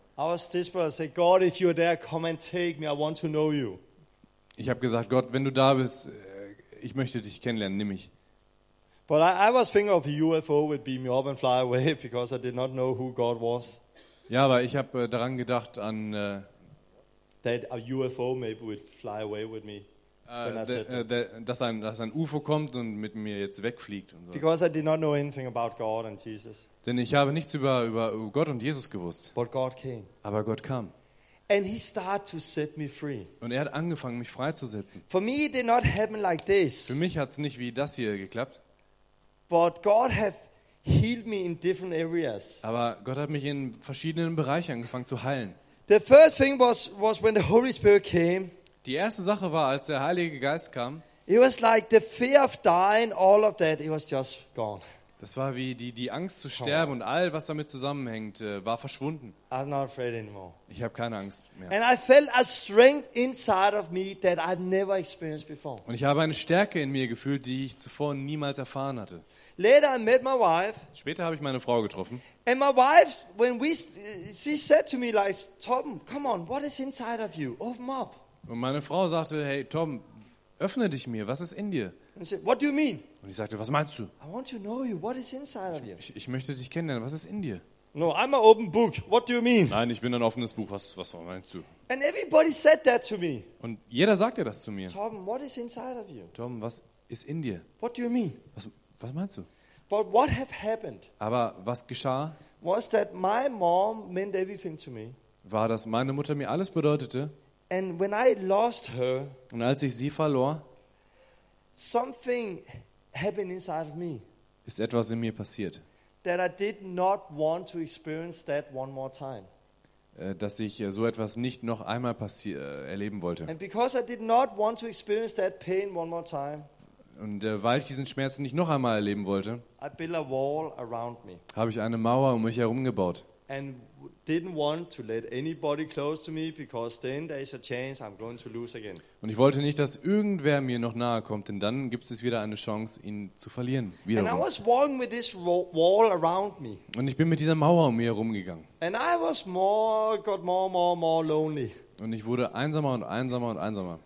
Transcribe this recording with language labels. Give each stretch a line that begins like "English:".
English: I was desperate. I said, God, if you're there, come and take me. I want to know you.
German: Ich habe gesagt, Gott, wenn du da bist, ich möchte dich kennenlernen, nimm mich.
English: But I was thinking of a UFO would beam me up and fly away because I did not know who God was.
German: Ja, aber ich habe daran gedacht an
English: that a UFO maybe would fly away with me.
German: Dass ein UFO kommt und mit mir jetzt wegfliegt und so.
English: Because I did not know anything about God and Jesus.
German: Denn ich habe nichts über Gott und Jesus gewusst.
English: But God came.
German: Aber Gott kam.
English: And he started to set me free.
German: Und hat angefangen, mich freizusetzen.
English: For me, it did not happen like this.
German: Für mich hat's nicht wie das hier geklappt.
English: But God have healed me in different areas.
German: Aber Gott hat mich in verschiedenen Bereichen angefangen zu heilen.
English: The first thing was when the Holy Spirit came.
German: Die erste Sache war, als der Heilige Geist kam.
English: It was like the fear of dying, all of that, it was just gone.
German: Das war wie die Angst zu sterben und all, was damit zusammenhängt, war verschwunden.
English: I'm not afraid anymore.
German: Ich habe keine Angst mehr.
English: And I felt a strength inside of me that I've never experienced before.
German: Und ich habe eine Stärke in mir gefühlt, die ich zuvor niemals erfahren hatte.
English: Later I met my wife.
German: Später habe ich meine Frau getroffen.
English: And my wife, she said to me like, Tom, come on, what is inside of you? Open up.
German: Und meine Frau sagte, hey Tom, öffne dich mir, was ist in dir?
English: And she said, what do you mean?
German: Und ich sagte, was meinst du?
English: I want to know you. What is inside of you?
German: Ich möchte dich kennenlernen. Was ist in dir?
English: No, I'm an open book. What do you mean?
German: Nein, ich bin ein offenes Buch. Was meinst du?
English: And everybody said that to me.
German: Und jeder sagte das zu mir.
English: Tom, what is inside of you?
German: Tom, was ist in dir?
English: What do you mean?
German: Was meinst du?
English: But what have happened?
German: Aber was geschah?
English: Was that my mom meant everything to me?
German: War, dass meine Mutter mir alles bedeutete?
English: And when I lost her.
German: Und als ich sie verlor.
English: Something happened inside of me.
German: Ist etwas in mir passiert.
English: that I did not want to experience that one more time.
German: Dass ich so etwas nicht noch einmal erleben wollte.
English: And because I did not want to experience that pain one more time.
German: Und weil ich diesen Schmerz nicht noch einmal erleben wollte,
English: I built a wall around me.
German: Habe ich eine Mauer um mich herum gebaut.
English: And didn't want to let anybody close to me because then there is a chance I'm going to lose again.
German: Und ich wollte nicht, dass irgendwer mir noch nahe kommt, denn dann gibt es wieder eine Chance, ihn zu verlieren. Wiederum.
English: And I was walking with this wall around me.
German: Und ich bin mit dieser Mauer um mich herumgegangen.
English: And I was got more lonely.
German: Und ich wurde einsamer und einsamer und einsamer.